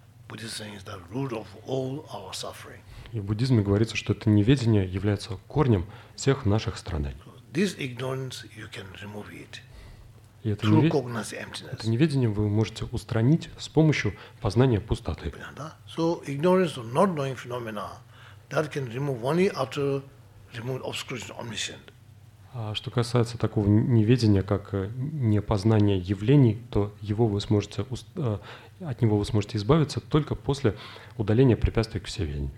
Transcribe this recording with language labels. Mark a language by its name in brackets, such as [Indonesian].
[English] Buddhism is the root of all our suffering. [Russian] И в буддизме говорится, что это неведение является корнем всех наших страданий. [English] This ignorance you can remove it. [Russian] И это [English] through cognizance emptiness. [Russian] Это неведение вы можете устранить с помощью познания пустоты. [English] So ignorance of not knowing phenomena that can remove only after remove obscuration omniscient. [Russian] А что касается такого неведения, как непознание явлений, то его вы сможете от него вы сможете избавиться только после удаления препятствий к всеведению.